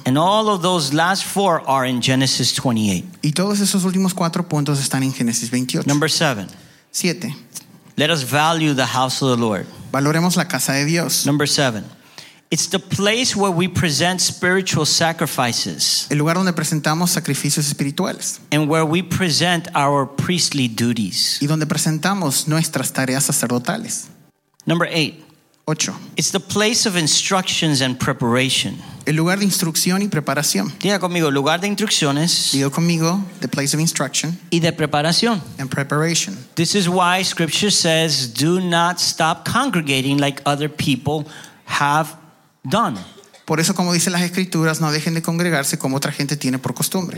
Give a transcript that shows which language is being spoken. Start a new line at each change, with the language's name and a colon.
English: And all of those last four are in Genesis 28.
Spanish: Y todos esos últimos cuatro puntos están en Génesis 28.
English: Number 7. 7. Let us value the house of the Lord.
Spanish: Valoremos la casa de Dios.
English: Number 7. It's the place where we present spiritual sacrifices.
Spanish: El lugar donde presentamos sacrificios espirituales.
English: And where we present our priestly duties.
Spanish: Y donde presentamos nuestras tareas sacerdotales.
English: Number 8. 8. It's the place of instructions and preparation.
Spanish: El lugar de instrucción y preparación. Diga conmigo, lugar de instrucciones. Diga conmigo,
English: the place of instruction.
Spanish: Y de preparación.
English: And preparation. This is why scripture says, do not stop congregating like other people have done.
Spanish: Por eso, como dicen las escrituras, no dejen de congregarse como otra gente tiene por costumbre.